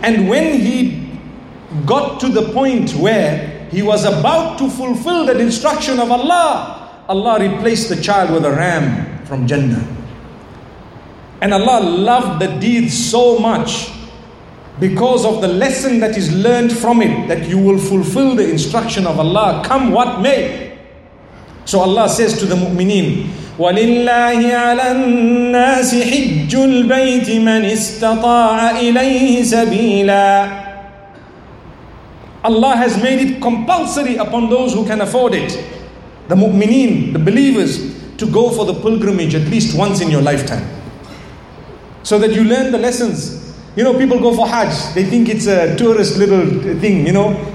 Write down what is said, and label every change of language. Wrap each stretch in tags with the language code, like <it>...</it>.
<en>And when he got to the point where he was about to fulfill that instruction of Allah, Allah replaced the child with a ram from Jannah. And Allah loved the deed so much because of the lesson that is learned from it, that you will fulfill the instruction of Allah, come what may. So Allah says to the mu'mineen,</en> <ar>ولله على الناس حج البيت من استطاع إليه سبيلا.</ar> <en>Allah has made it compulsory upon those who can afford it, the mu'mineen, the believers, to go for the pilgrimage at least once in your lifetime. So that you learn the lessons. You know, people go for Hajj. They think it's a tourist little thing, you know.</en>